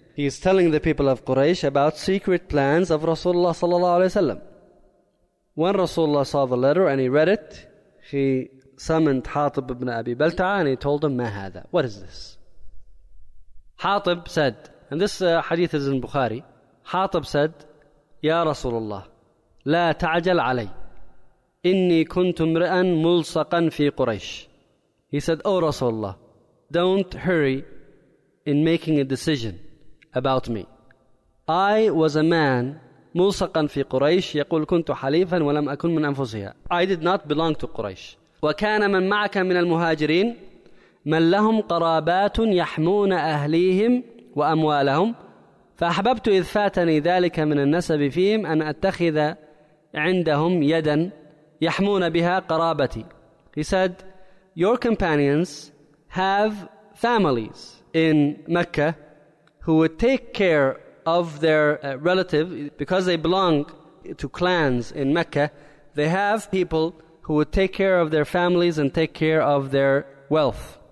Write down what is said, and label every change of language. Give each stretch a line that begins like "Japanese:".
English: He is telling the people of Quraysh about secret plans of Rasulullah sallallahu alaihi wasallam. When Rasulullah saw the letter and he read it, he summoned Hatib ibn Abi Balta'ah and he told him,
Arabic: "Ma hadha?
English: What is this?" Hatib said, and this hadith is in Bukhari. Hatib said,
Arabic: "Ya Rasulullah, لا تعجل علي إني كنت امرئا ملصقا في قريش."
English: He said, "Oh Rasulullah, don't hurry in making a decision about me. I was a man
Arabic: ملصقا في قريش يقول كنت حليفا ولم أكن من أنفسها.
English: I did not belong to Quraysh.
Arabic: وكان من معك من المهاجرين من لهم قرابات يحمون أهليهم وأموالهم فأحببت إذ فاتني ذلك من النسب فيهم أن أتخذ عندهم يدا يحمون بها قرابتي."
English: He said, "Your companions have families in Mecca who would take care of their relative because they belong to clans in Mecca. They have people who would take care of their families and take care of their wealth.